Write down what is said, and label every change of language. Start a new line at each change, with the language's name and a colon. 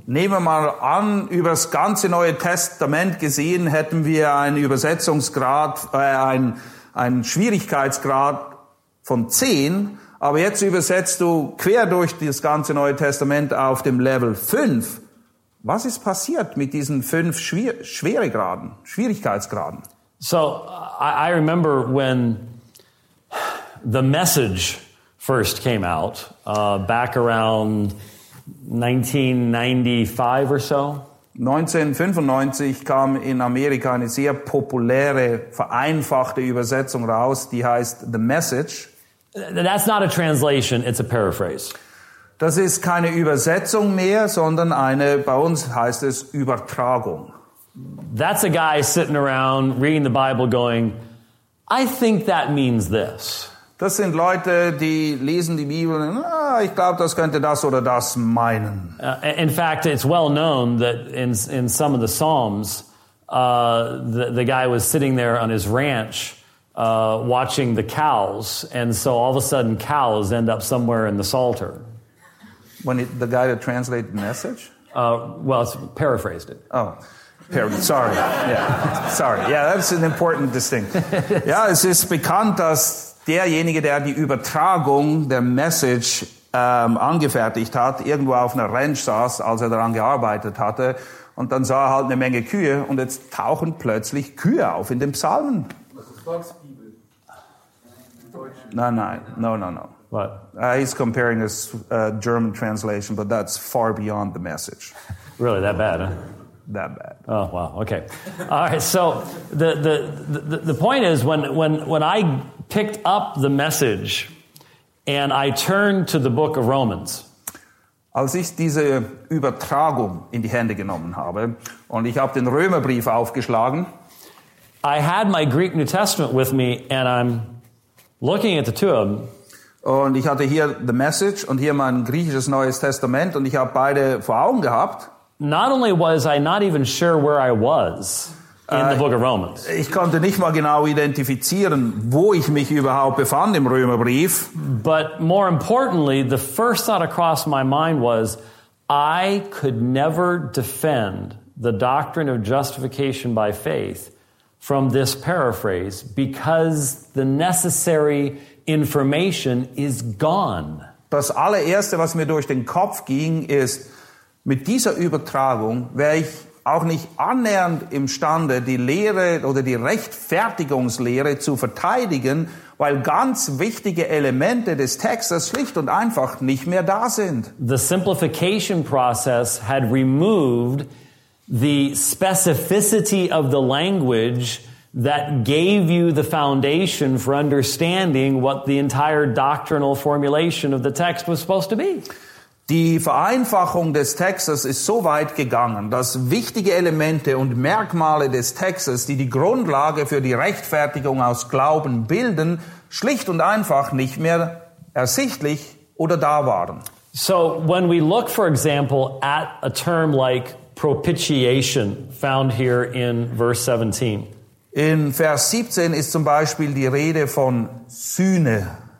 German: Nehmen wir mal an, über das ganze Neue Testament gesehen, hätten wir einen Übersetzungsgrad, einen Schwierigkeitsgrad von 10, aber jetzt übersetzt du quer durch das ganze Neue Testament auf dem Level 5. Was ist passiert mit diesen 5 Schweregraden, Schwierigkeitsgraden?
English: So, I remember when The Message first came out, back around 1995 or so.
German: 1995 kam in Amerika eine sehr populäre, vereinfachte Übersetzung raus, die heißt The Message.
English: That's not a translation, it's a paraphrase.
German: Das ist keine Übersetzung mehr, sondern eine, bei uns heißt es Übertragung.
English: That's a guy sitting around reading the Bible going, I think that means this.
German: Das sind Leute, die lesen die Bibel und ich glaube, das könnte das oder das meinen.
English: In fact, it's well known that in some of the Psalms, the guy was sitting there on his ranch watching the cows, and so all of a sudden cows end up somewhere in the Psalter. When it, the guy that translated the Message? Well, it's paraphrased it. Oh. Sorry, yeah. Sorry, yeah, that's an important distinction.
German: Ja, es ist bekannt, dass derjenige, der die Übertragung der Message angefertigt hat, irgendwo auf einer Ranch saß, als er daran gearbeitet hatte, und dann sah er halt eine Menge Kühe, und jetzt tauchen plötzlich Kühe auf in den Psalmen. Volksbibel.
English: No. What? He's comparing a German translation, but that's far beyond the Message. Really, that bad, huh? That bad. Oh wow. Okay. All right. So the point is when I picked up the Message and I turned to the book of Romans.
German: Als ich diese Übertragung in die Hände genommen habe und ich habe den Römerbrief aufgeschlagen.
English: I had my Greek New Testament with me and I'm looking at the two of them.
German: Und ich hatte hier the Message und hier mein griechisches Neues Testament und ich habe beide vor Augen gehabt.
English: Not only was I not even sure where I was in the book of Romans.
German: Ich konnte nicht mal genau identifizieren, wo ich mich überhaupt befand im Römerbrief.
English: But more importantly, the first thought across my mind was, I could never defend the doctrine of justification by faith from this paraphrase because the necessary information is gone.
German: Das allererste, was mir durch den Kopf ging, ist, mit dieser Übertragung wäre ich auch nicht annähernd imstande, die Lehre oder die Rechtfertigungslehre zu verteidigen, weil ganz wichtige Elemente des Textes schlicht und einfach nicht mehr da sind.
English: The simplification process had removed the specificity of the language that gave you the foundation for understanding what the entire doctrinal formulation of the text was supposed to be.
German: Die Vereinfachung des Textes ist so weit gegangen, dass wichtige Elemente und Merkmale des Textes, die die Grundlage für die Rechtfertigung aus Glauben bilden, schlicht und einfach nicht mehr ersichtlich oder da waren.
English: So, when we look, for example, at a term like propitiation found here in verse 17.
German: In Vers 17 ist zum Beispiel die Rede von Sühne.